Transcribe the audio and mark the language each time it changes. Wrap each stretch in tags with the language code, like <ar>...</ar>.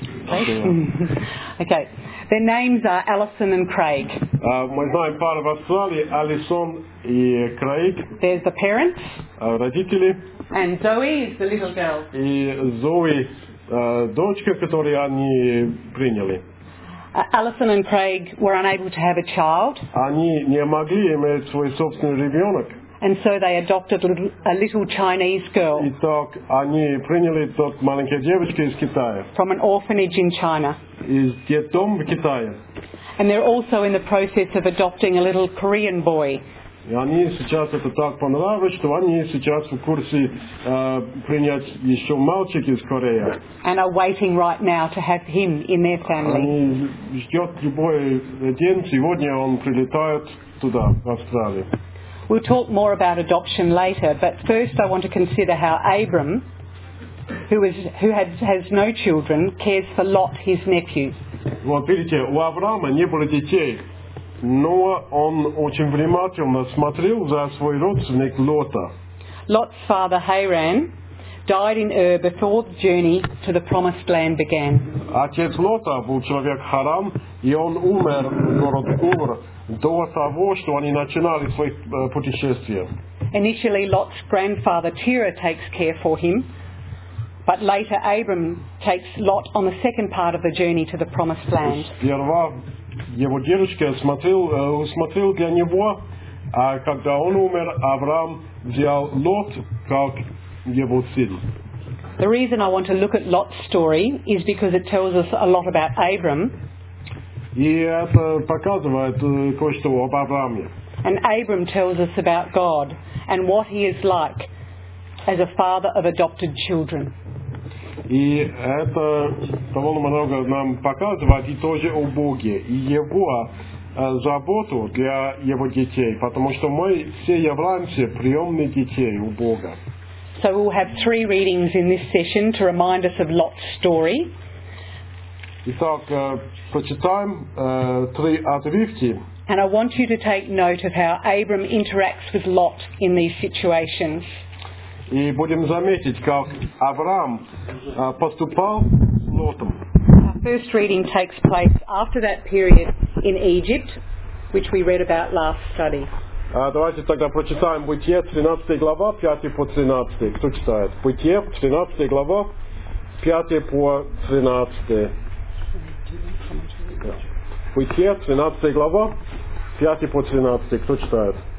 <en>Okay. Their names are Alison and Craig.</en> <ru>Мы знаем пару в Австралии, Алисон и Крейг.</ru> <en>There's the parents.</en> <ru>Родители.</ru> <en>And Zoe is the little girl.</en> <ru>И Зои, дочка, которую они приняли.</ru> <en>Alison and Craig were unable to have a child.</en> <ru>Они не могли иметь свой собственный ребенок.</ru> <en>And so they adopted a little Chinese girl.</en> <ru>Итак, они приняли тот маленькую девочку из Китая.</ru> <en>From an orphanage in China.</en> <ru>Из детдом в Китае.</ru> <en>And they're also in the process of adopting a little Korean boy.</en> <ru>И они сейчас это так понравилось, что они сейчас в курсе принять еще мальчик из Кореи.</ru> <en>And are waiting right now to have him in their family.</en> <ru>Они ждет любой день, сегодня он прилетает туда, в Австралию.</ru> <en>We'll talk more about adoption later, but first I want to consider how Abram, who has no children, cares for Lot, his nephew.</en> <ru>Вот видите, у Авраама не было детей, но он очень внимательно смотрел за свой родственник Лота.</ru> <en>Lot's father Haran died in Ur before the journey to the promised land began.</en> <ru>Отец Лота был человек Харан, и он умер в городе Ур. До того, что они начинали свои путешествия.</ru> <en>Initially, Lot's grandfather Terah takes care for him, but later Abram takes Lot on the second part of the journey to the promised land.</en> <ru>Сперва его дедушка усмотрел для него, а когда он умер, Авраам взял Лот как его сын.</ru> <en>The reason I want to look at Lot's story is because it tells us a lot about Abram.</en> <ru>И это показывает кое-что об Аврааме.</ru> <en>And Abram tells us about God and what he is like as a father of adopted children.</en> <ru>И это довольно много нам показывает и тоже о Боге, и его заботу для его детей, потому что мы все являемся приемными детей у Бога.</ru> <en>So we'll have three readings in this session to remind us of Lot's story.</en> <ru>Итак, прочитаем три отрывки.</ru> <en>And I want you to take note of how Abram interacts with Lot in these situations.</en> <ru>И будем заметить, как Авраам поступал с Лотом.</ru> <en>Our first reading takes place after that period in Egypt, which we read about last study.</en> <ru>Давайте тогда прочитаем Бытие, 13 глава, 5 по 13. Кто читает? Бытие, 13 глава, 5 по 13. Бытие, 13 глава, 5 по 13. Кто читает?</ru>